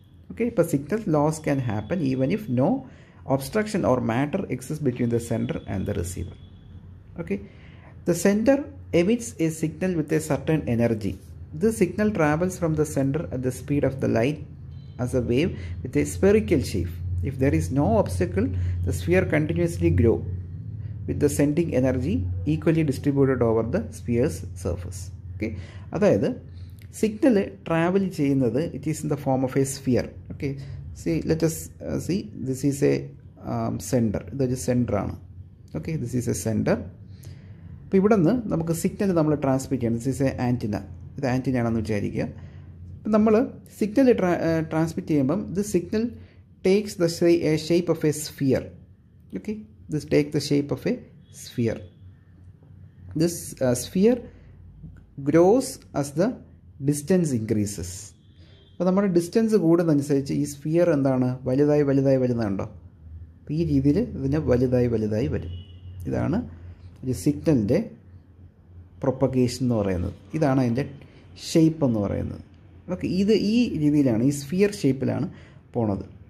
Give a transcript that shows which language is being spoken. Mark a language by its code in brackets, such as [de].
[en] okay, [ml] ഇപ്പോൾ [en] Signal loss can happen even if no obstruction or matter exist between the sender and the receiver. Okay, the sender emits a signal with a certain energy, the signal travels from the sender at the speed of the light as a wave with a spherical shape. If there is no obstacle, the sphere continuously grow. with the sending energy equally distributed over the sphere's surface. Okay [ml] അതായത് signal travel ചെയ്യുന്നത് [en] It is in the form of a sphere. Okay see let's see this is a centre, [ml] ഇതൊരു സെൻറ്ററാണ്. [en] Okay this is a centre. [ml] അപ്പോൾ ഇവിടെ നിന്ന് നമുക്ക് signal നമ്മൾ transmit ചെയ്യണം. [en] this is a antenna, [ml] ഇത് ആൻറ്റിന ആണെന്ന് വിചാരിക്കുക. അപ്പം നമ്മൾ സിഗ്നൽ ട്രാൻസ്മിറ്റ് ചെയ്യുമ്പം [en] This signal takes the shape of a sphere. Okay this take the shape of a sphere. This sphere grows as the distance increases. [ml] അപ്പോൾ നമ്മുടെ distance കൂടുന്നതനുസരിച്ച് ഈ sphere എന്താണ് വലുതായി വലുതായി വലുതാണ്ടോ, അപ്പോൾ ഈ രീതിയിൽ ഇതിനെ വലുതായി വലുതായി വരും. ഇതാണ് ഒരു സിഗ്നലിൻ്റെ പ്രൊപ്പഗേഷൻ എന്ന് പറയുന്നത്. ഇതാണ് അതിൻ്റെ ഷേപ്പ് എന്ന് പറയുന്നത്. ഓക്കെ ഇത് ഈ രീതിയിലാണ്, ഈ സ്ഫിയർ ഷേപ്പിലാണ് പോണത്.